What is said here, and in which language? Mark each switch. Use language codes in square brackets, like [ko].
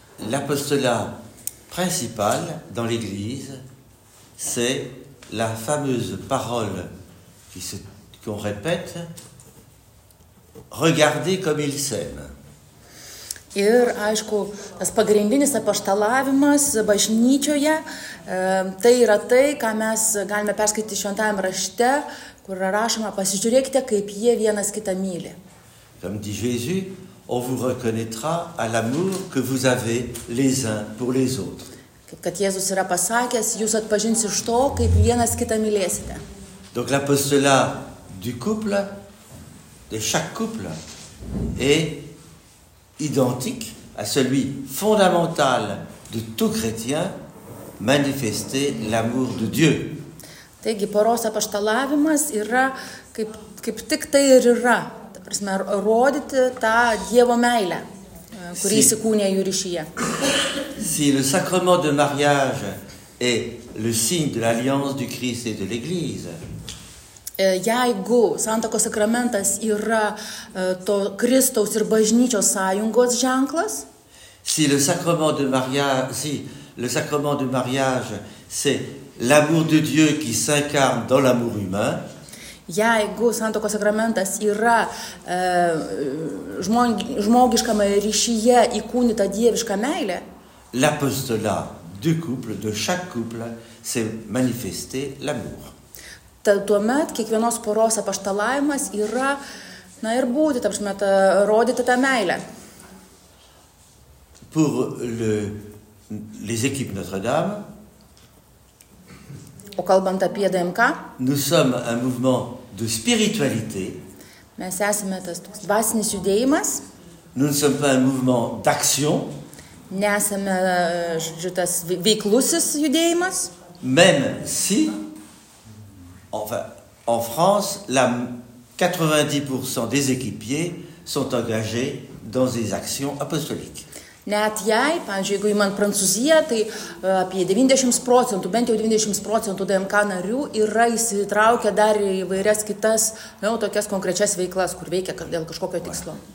[fr] L'apostolat principal dans l'église, c'est la fameuse parole qu'on répète, regardez comme il s'aime. [lt] Ir aišku, tas pagrindinis apaštalavimas bažnyčioje, tai yra tai, ką mes galime perskaityti šventajame rašte, kur rašoma, pasižiūrėkite, kaip jie vienas kitą myli. [fr] Comme dit Jésus, on vous reconnaîtra à l'amour que vous avez les uns pour les autres. [lt] Kad Jėzus yra pasakęs, jūs atpažins iš to, kaip vienas kitą mylėsite. [fr] Donc l'apostolat du couple, de chaque couple, est identique à celui fondamental de tout chrétien, manifester l'amour de Dieu. [lt] Taigi, poros apaštalavimas yra, kaip tik tai ir yra, ta prasme, rodyti tą Dievo meilę. [fr] Si le sacrement de mariage est le signe de l'alliance du Christ et de l'Église, [lt] jeigu santuokos sakramentas yra to Kristaus ir bažnyčios sąjungos ženklas, [fr] si le sacrement de mariage, si le sacrement de mariage, c'est l'amour de Dieu qui s'incarne dans l'amour humain. [lt] Jeigu santuokos sakramentas yra žmogiškame ryšyje įkūnyta dieviška meilė. [fr] L'apostolat du couple, de chaque couple, c'est manifester l'amour. [lt] Tuomet kiekvienos poros apaštalavimas yra, na ir būti, ta prasme, rodyti tą meilę. [fr] Pour le, les équipes Notre-Dame, [lt] o kalbant apie DMK, [fr] nous sommes un mouvement de spiritualité. [lt] Mes esame tas toks dvasinis judėjimas. [fr] Nous ne sommes pas un mouvement d'action. [lt] Nesame tas veiklusis judėjimas. [fr] Même si, enfin, en France, la 90% des équipiers sont engagés dans des actions apostoliques. [lt] Net jei, pavyzdžiui, jeigu įman Prancūziją, tai apie 90%, bent jau 90% DMK narių yra įsitraukę dar į vairias kitas, jau tokias konkrečias veiklas, kur veikia dėl kažkokio tikslo.